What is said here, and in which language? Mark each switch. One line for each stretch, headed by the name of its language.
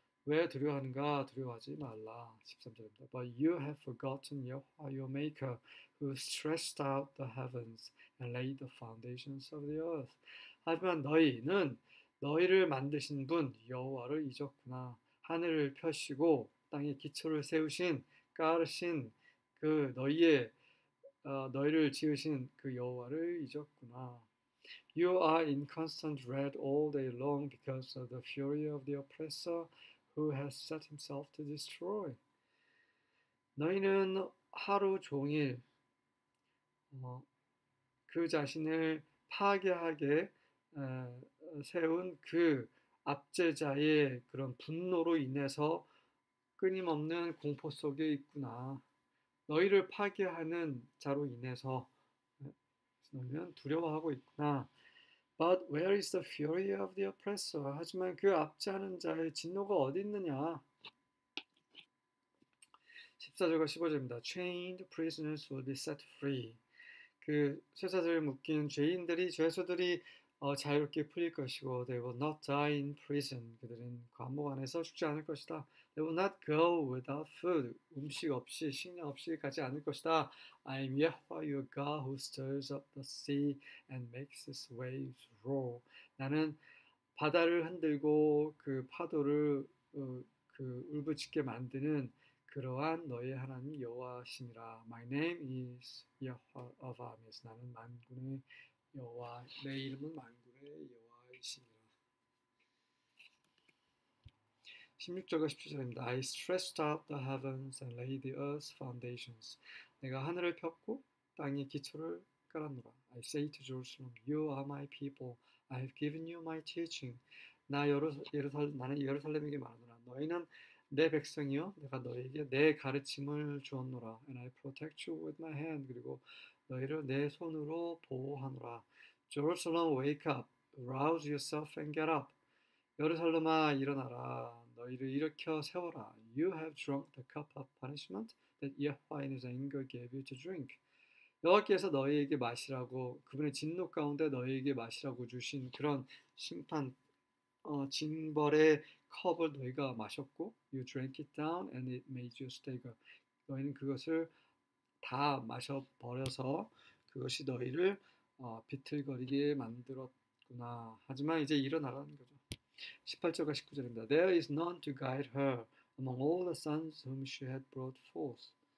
Korean: 왜 두려워하는가? 두려워하지 말라. 13절입니다.
English: But you have forgotten Yahweh your maker who stretched out the heavens and laid the foundations of the earth.
Korean: 하지만 너희는 너희를 만드신 분 여호와를 잊었구나. 하늘을 펴시고 땅의 기초를 세우신 깔으신 그 너희의 너희를 지으신 그 여호와를 잊었구나.
English: You are in constant dread all day long because of the fury of the oppressor who has set himself to destroy.
Korean: 너희는 하루 종일 그 자신을 파괴하게 세운 그 압제자의 그런 분노로 인해서 끊임없는 공포 속에 있구나. 너희를 파괴하는 자로 인해서 너희는 두려워하고 있구나.
English: But where is the fury of the oppressor?
Korean: 하지만 그 압제하는 자의 진노가 어디 있느냐? 14절과 15절입니다.
English: Chained prisoners will be set free.
Korean: 그 쇠사슬에 묶인 죄인들이, 죄수들이 자유롭게 풀릴 것이고
English: They will not die in prison.
Korean: 그들은 감옥 안에서 죽지 않을 것이다.
English: They will not go without food.
Korean: 음식 없이, 식량 없이 가지 않을 것이다.
English: I am Yahweh your God who stirs up the sea and makes its waves roar.
Korean: 나는 바다를 흔들고 그 파도를 그 울부짖게 만드는 그러한 너의 하나님 여호와시니라.
English: My name is Yahweh of armies.
Korean: 나는 만군의 여호와, 내 이름은 만군의 여호와이시니라. 16절과 17절입니다.
English: I stretched out the heavens and laid the earth's foundations.
Korean: 내가 하늘을 폈고 땅의 기초를 깔았노라.
English: I say to Jerusalem, You are my people. I've given you my teaching.
Korean: 나 나는 예루살렘에게 말하노라. 너희는 내 백성이요. 내가 너희에게 내 가르침을 주었노라.
English: And I protect you with my hand.
Korean: 그리고 너희를 내 손으로 보호하노라.
English: Jerusalem, wake up. Rouse yourself and get up.
Korean: 예루살렘아, 일어나라. 너희를 일으켜 세워라.
English: You have drunk the cup of punishment that Yahweh in his anger gave you to drink.
Korean: 여호와께서 너희에게 마시라고 그분의 진노 가운데 너희에게 마시라고 주신 그런 심판 징벌의 컵을 너희가 마셨고
English: you drank it down and it made you stagger.
Korean: 너희는 그것을 다 마셔 버려서 그것이 너희를 비틀거리게 만들었구나. 하지만 이제 일어나라는 거죠. 18절과 19절입니다.
English: There is none to guide her among all the sons whom she had brought forth.